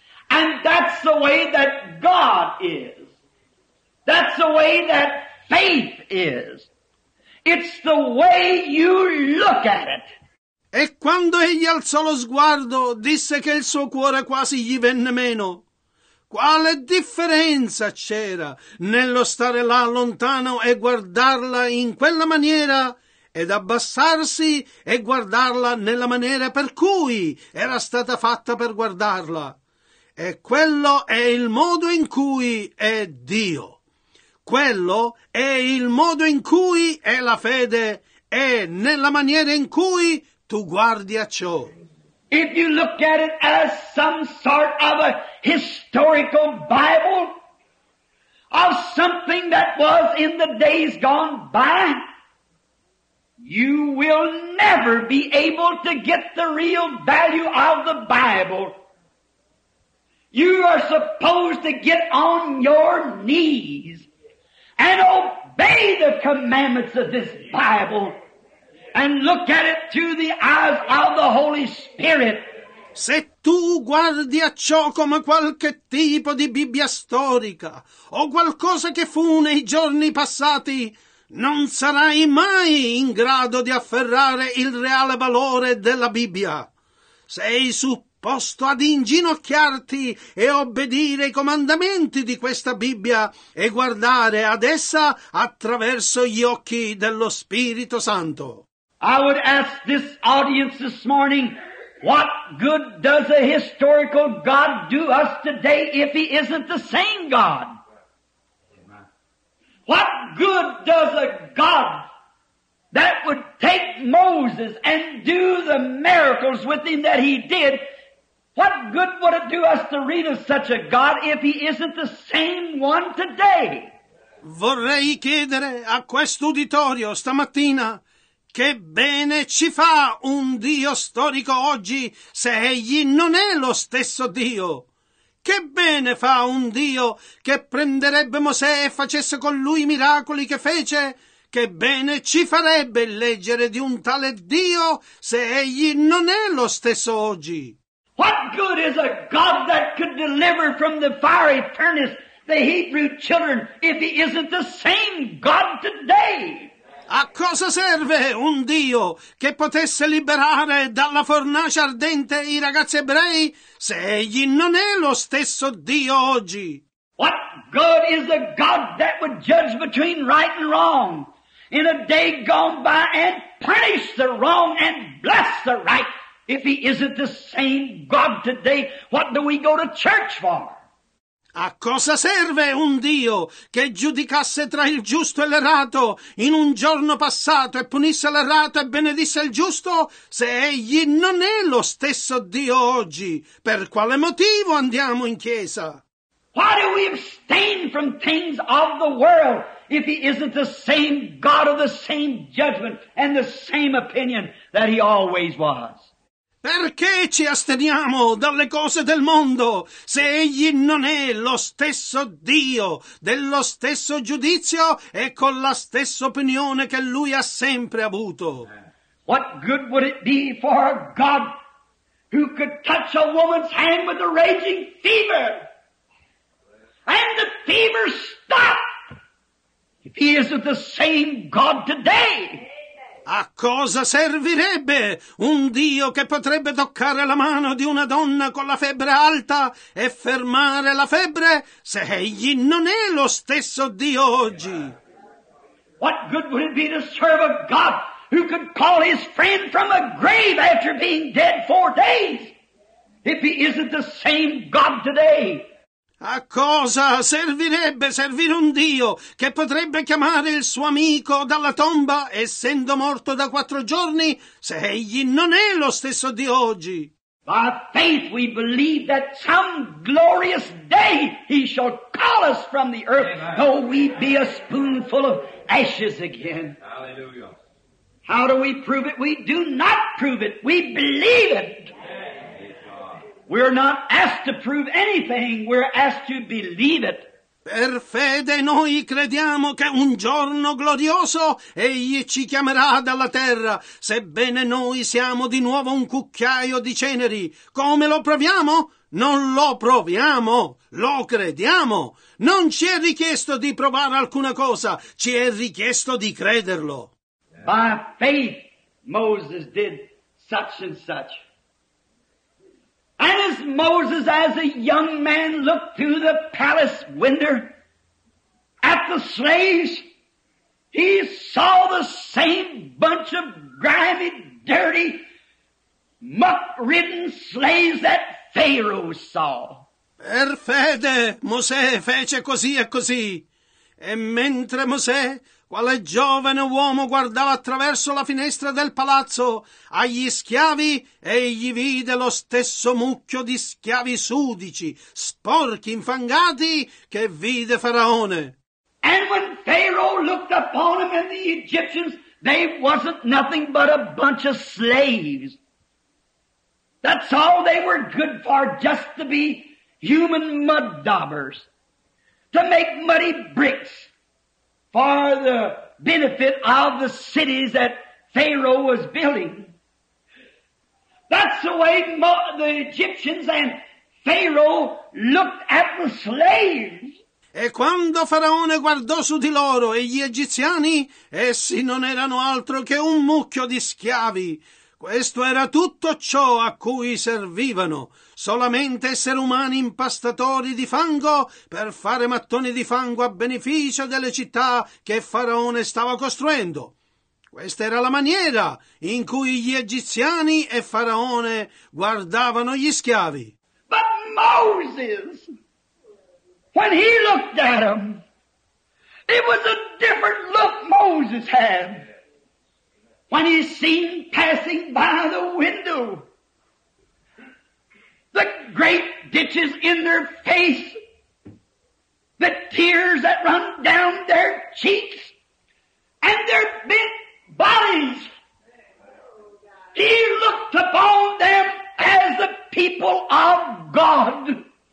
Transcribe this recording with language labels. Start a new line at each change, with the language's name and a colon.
English: And that's the way that God is. That's the way that faith is. It's the way you look at it.
Italian: E quando egli alzò lo sguardo, disse che il suo cuore quasi gli venne meno. Quale differenza c'era nello stare là lontano e guardarla in quella maniera ed abbassarsi e guardarla nella maniera per cui era stata fatta per guardarla? E quello è il modo in cui è Dio. Quello è il modo in cui è la fede e nella maniera in cui tu guardi a ciò.
English: If you look at it as some sort of a historical Bible of something that was in the days gone by, you will never be able to get the real value of the Bible. You are supposed to get on your knees and obey the commandments of this Bible and look at it through the eyes of the Holy Spirit.
Italian: Se tu guardi a ciò come qualche tipo di Bibbia storica o qualcosa che fu nei giorni passati, non sarai mai in grado di afferrare il reale valore della Bibbia. Sei supposto ad inginocchiarti e obbedire ai comandamenti di questa Bibbia e guardare ad essa attraverso gli occhi dello Spirito Santo.
English: I would ask this audience this morning, what good does a historical God do us today if he isn't the same God? What good does a God that would take Moses and do the miracles with him that he did, what good would it do us to read of such a God if he isn't the same one today?
Italian: Vorrei chiedere a questo uditorio stamattina, che bene ci fa un Dio storico oggi se egli non è lo stesso Dio? Che bene fa un Dio che prenderebbe Mosè e facesse con lui i miracoli che fece? Che bene ci farebbe leggere di un tale Dio se egli non è lo stesso oggi?
English: What good is a God that could deliver from the fiery furnace the Hebrew children if he isn't the same God today?
Italian: A cosa serve un Dio che potesse liberare dalla fornace ardente i ragazzi ebrei se egli non è lo stesso Dio oggi?
English: What good is a God that would judge between right and wrong in a day gone by and punish the wrong and bless the right if he isn't the same God today? What do we go to church for?
Italian: A cosa serve un Dio che giudicasse tra il giusto e l'errato in un giorno passato e punisse l'errato e benedisse il giusto se egli non è lo stesso Dio oggi? Per quale motivo andiamo in chiesa?
English: Why do we abstain from things of the world if he isn't the same God of the same judgment and the same opinion that he always was?
Italian: Perché ci asteniamo dalle cose del mondo se egli non è lo stesso Dio dello stesso giudizio e con la stessa opinione che lui ha sempre avuto?
English: What good would it be for a God who could touch a woman's hand with a raging fever and the fever stop if he isn't the same God today?
Italian: A cosa servirebbe un Dio che potrebbe toccare la mano di una donna con la febbre alta e fermare la febbre se egli non è lo stesso Dio oggi?
English: What good would it be to serve a God who could call his friend from a grave after being dead 4 days if he isn't the same God today?
Italian: A cosa servirebbe servire un Dio che potrebbe chiamare il suo amico dalla tomba essendo morto da 4 giorni se egli non è lo stesso Dio oggi?
English: By faith we believe that some glorious day he shall call us from the earth, amen, though we be a spoonful of ashes again. Hallelujah. How do we prove it? We do not prove it. We believe it. We're not asked to prove anything, we're asked to believe it.
Italian: Per fede noi crediamo che un giorno glorioso egli ci chiamerà dalla terra, sebbene noi siamo di nuovo un cucchiaio di ceneri. Come lo proviamo? Non lo proviamo, lo crediamo. Non ci è richiesto di provare alcuna cosa, ci è richiesto di crederlo.
English: By faith Moses did such and such. And as Moses, as a young man, looked through the palace window at the slaves, he saw the same bunch of grimy, dirty, muck-ridden slaves that Pharaoh saw.
Italian: Per fede, Mosè fece così e così. E mentre Mosè, quale giovane uomo, guardava attraverso la finestra del palazzo agli schiavi, egli vide lo stesso mucchio di schiavi sudici, sporchi, infangati, che vide Faraone.
English: And when Pharaoh looked upon them and the Egyptians, they wasn't nothing but a bunch of slaves. That's all they were good for, just to be human mud daubers, to make muddy bricks for the benefit of the cities that Pharaoh was building. That's the way the Egyptians and Pharaoh looked at the slaves.
Italian: E quando Faraone guardò su di loro e gli egiziani, essi non erano altro che un mucchio di schiavi. Questo era tutto ciò a cui servivano, solamente esseri umani impastatori di fango per fare mattoni di fango a beneficio delle città che Faraone stava costruendo. Questa era la maniera in cui gli egiziani e Faraone guardavano gli schiavi.
English: But Moses, when he looked at them, it was a different look Moses had. When he's seen passing by the window, the great ditches in their face, the tears that run down their cheeks, and their bent bodies, he looked upon them as the people of God.